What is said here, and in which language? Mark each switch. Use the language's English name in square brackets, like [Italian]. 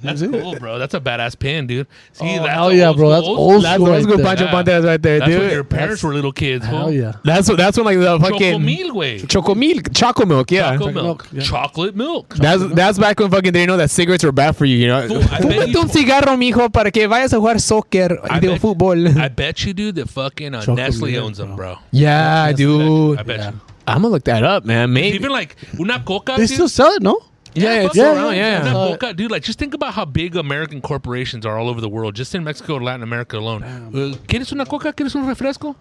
[English] That's cool, bro. That's a badass pin, dude. See, that's old school Pancho Pantera right there, that's That's when your parents were little kids. Hell yeah. That's when like the fucking chocomil way. Chocolate milk. That's back when fucking they didn't know that cigarettes were bad for you. You know. [Spanish] Fume tu cigarro, mijo, para que vayas a jugar soccer y de fútbol. [English] I bet you, dude, that fucking Nestle owns them, bro. Yeah, dude. I bet you. I'm going to look that up, man. Maybe. Even like [Spanish] una coca. [English] They still sell it, no? Yeah, it's around. Dude, like, just think about how big American corporations are all over the world, just in Mexico and Latin America alone. [Spanish] ¿Quieres una coca? ¿Quieres un refresco?